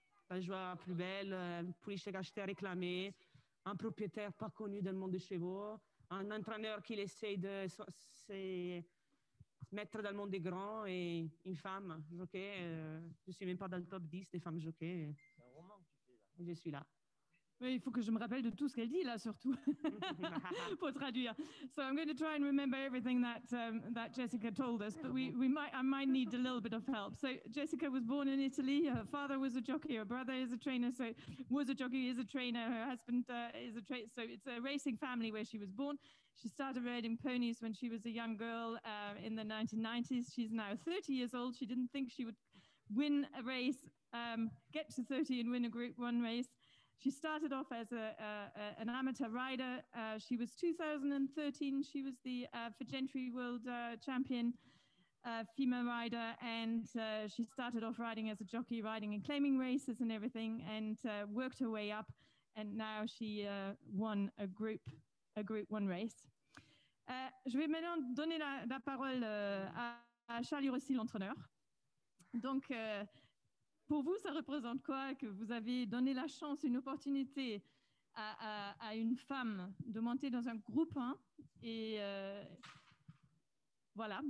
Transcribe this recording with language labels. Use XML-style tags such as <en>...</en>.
<fr>la joie plus belle, un poulet acheté à réclamer, un propriétaire pas connu dans le monde des chevaux, un entraîneur qui essaie de se mettre dans le monde des grands et une femme jockey. Je ne suis même pas dans le top 10 des femmes jockey. C'est un roman que tu fais là. Je suis là. Il faut que je me rappelle de tout ce qu'elle dit là, surtout pour traduire.</fr> <en>So I'm going to try and remember everything that that Jessica told us, but I might need a little bit of help. So Jessica was born in Italy. Her father was a jockey. Her brother is a trainer. So was a jockey, is a trainer. Her husband is a trainer. So it's a racing family where she was born. She started riding ponies when she was a young girl in the 1990s. She's now 30 years old. She didn't think she would win a race, get to 30 and win a Group 1 race. She started off as an amateur rider. She was 2013. She was the Fagentry World Champion female rider. And she started off riding as a jockey, riding and claiming races and everything, and worked her way up. And now she won a group one race.</en> <fr>Je vais maintenant donner la parole à Charlie Rossi, l'entraîneur. Donc, pour vous, ça représente quoi que vous avez donné la chance, une opportunité à une femme de monter dans un groupe 1 et voilà.</fr>